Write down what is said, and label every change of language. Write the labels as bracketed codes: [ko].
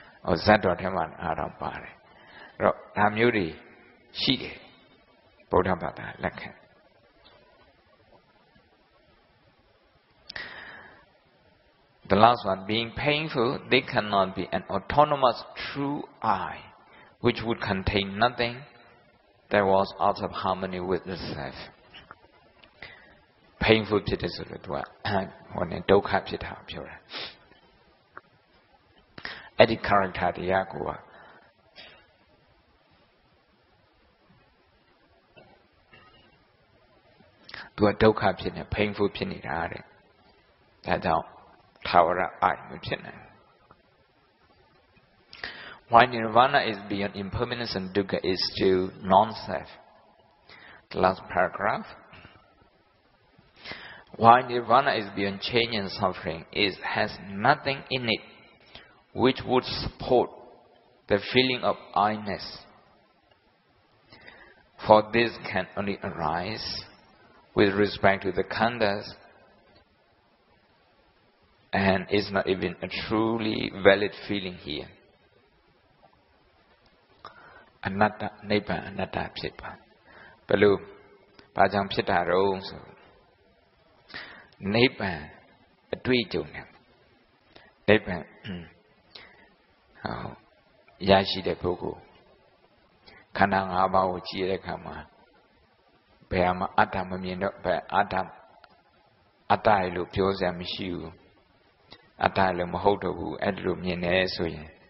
[en] The last one, being painful, they cannot be an autonomous true I, which would contain nothing that was out of harmony with the self. [my] painful ဖြစ်တယ်ဆိုတော့သူကဟိုနည်းဒုက္ခဖြစ်တာပြောတာအဲ့ဒီ character တရားကိုကသူကဒုက္ခဖြစ်နေ painful ဖြစ်နေတာတဲ့ဒါကြောင့်ထာဝရအိုင်မဖြစ်နိုင်ဘူး [en] Why Nirvana is beyond impermanence and dukkha is still non-self. The last paragraph. Why Nirvana is beyond change and suffering is has nothing in it which would support the feeling of I-ness. For this can only arise with respect to the khandhas and is not even a truly valid feeling here. [my] အနတ္တနိဗ္ဗာန်အနတ္တဖြစ်ပါဘလို့ဘာကြောင့်ဖြစ်တာတော့ဆိုနိဗ္ဗာန်အတွေ့အကြုံနဲ့နိဗ္ဗာန်ဟောရရှိတဲ့ပုဂ္ဂိုလ်ခန္ဓာ၅ပါးကိုကြည့်တဲ့အခါမှာဘယ်ဟာမှအတ္တမမြင်တော့ဘယ်အတ္တအတ္တလို့ပြောစရာမရှိဘူးအတ္တလည်းမဟုတ်တော့ဘူးအဲ့လိုမြင်နေဆိုရင်